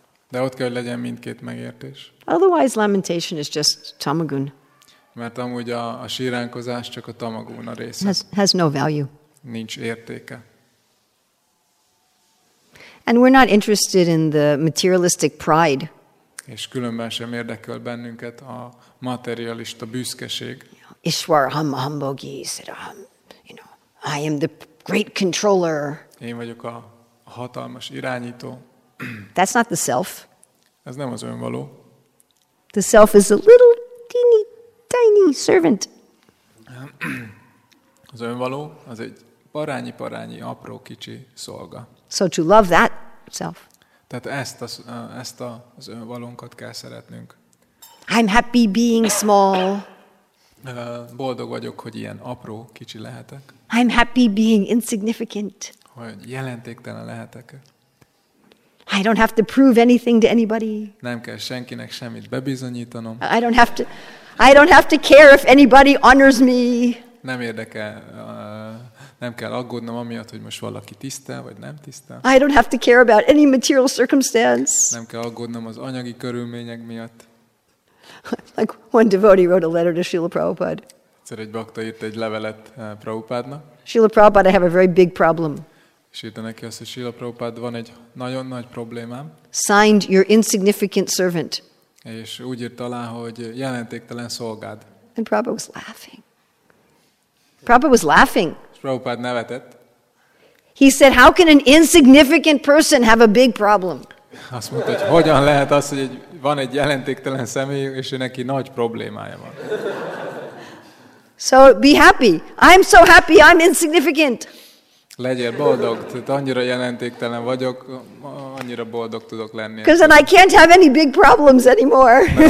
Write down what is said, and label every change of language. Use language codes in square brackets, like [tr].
[hu] De ott kell, hogy legyen mindkét megértés. [en] Otherwise lamentation is just tamagun. [hu] Mert amúgy a síránkozás csak a tamaguna része. [en] Has no value. [hu] Nincs értéke. [en] And we're not interested in the materialistic pride. [hu] És különben sem érdekel bennünket a materialista büszkeség. [sa] Ishwaraham Ahambogi, Siddham, [en] you know, I am the great controller. [hu] Én vagyok a hatalmas irányító. [en] That's not the self. [hu] Ez nem az önvaló. [en] The self is a little teeny tiny servant. [hu] Az önvaló, az egy parányi-parányi, apró kicsi szolga. [en] So to love that self. [hu] Tehát ezt az önvalónkat kell szeretnünk. [en] I'm happy being small. [hu] Boldog vagyok, hogy ilyen apró kicsi lehetek. [en] I'm happy being insignificant. [hu] Hogy jelentéktelen lehetek. [en] I don't have to prove anything to anybody. [hu] Nem kell senkinek semmit bebizonyítanom. [en] I don't have to care if anybody honors me. [hu] Nem érdekel, nem kell aggódnom amiatt, hogy most valaki tisztel vagy nem tisztel. [en] I don't have to care about any material circumstance. [hu] Nem kell aggódnom az anyagi körülmények miatt. [en] Like one devotee wrote a letter to Srila Prabhupada. [hu] Egyszer egy bakta írt egy levelet Prabhupádnak. [en] Srila Prabhupada, I have a very big problem. [hu] És írta neki azt, hogy Srila Prabhupád, van egy nagyon nagy problémám. [en] Signed your insignificant servant. [hu] És úgy írt alá, hogy jelentéktelen szolgád. [en] And Prabhupada was laughing. Prabhupada was laughing. [hu] Prabhupád nevetett. [en] He said, how can an insignificant person have a big problem? [hu] azt mondta, hogy hogyan lehet az, hogy van egy jelentéktelen személy, és neki nagy problémája van. [en] So be happy. I'm so happy, I'm insignificant. [hu] Legyél boldog, tehát annyira jelentéktelen vagyok, annyira boldog tudok lenni. [en] Because then I can't have any big problems anymore.